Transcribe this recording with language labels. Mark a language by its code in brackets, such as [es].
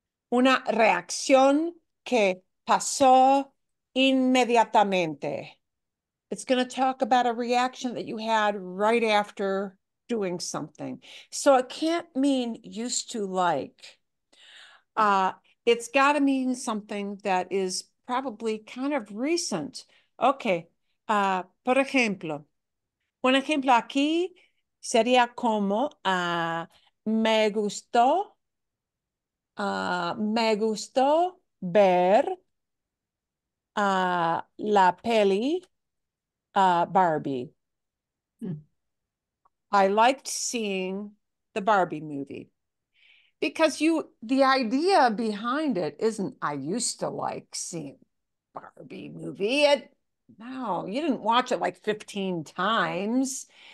[es] Una reacción que pasó inmediatamente. [en] It's going to talk about a reaction that you had right after doing something. So it can't mean used to like. It's got to mean something that is probably kind of recent. Okay. [es] Por ejemplo, un ejemplo aquí sería como me gustó ver la peli Barbie. [en] I liked seeing the Barbie movie because the idea behind it isn't I used to like seeing Barbie movie. No, you didn't watch it like 15 times.